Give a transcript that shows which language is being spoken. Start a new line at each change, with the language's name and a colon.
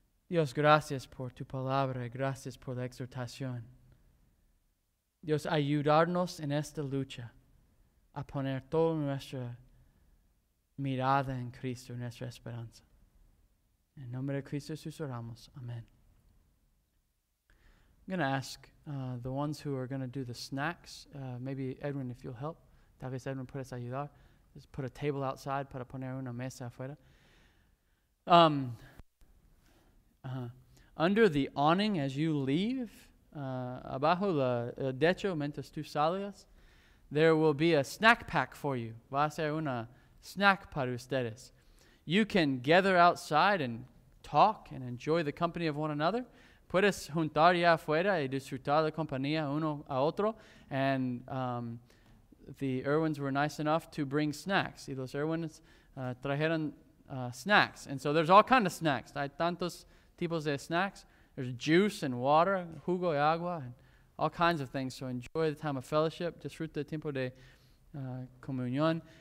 Spanish: Dios, gracias por tu palabra. Gracias por la exhortación. Dios, ayudarnos en esta lucha a poner toda nuestra mirada en Cristo, nuestra esperanza. En nombre de Cristo Jesús oramos. Amén.
English: I'm going to ask the ones who are going to do the snacks, maybe Edwin, if you'll help.
Spanish: Tal vez Edwin puedes ayudar.
English: Just put a table outside
Spanish: para poner una mesa afuera.
English: Under the awning as you leave,
Spanish: abajo la techo mientras tú sales,
English: there will be a snack pack for you.
Spanish: Va a ser una snack para ustedes.
English: You can gather outside and talk and enjoy the company of one another.
Spanish: Puedes juntar ya afuera y disfrutar la compañía uno a otro.
English: And the Irwins were nice enough to bring snacks.
Spanish: Y los Irwins trajeron snacks.
English: And so there's all kinds of snacks.
Spanish: Hay tantos tipos de snacks.
English: There's juice and water,
Spanish: jugo y agua,
English: and all kinds of things. So enjoy the time of fellowship.
Spanish: Disfruta el tiempo de comunión.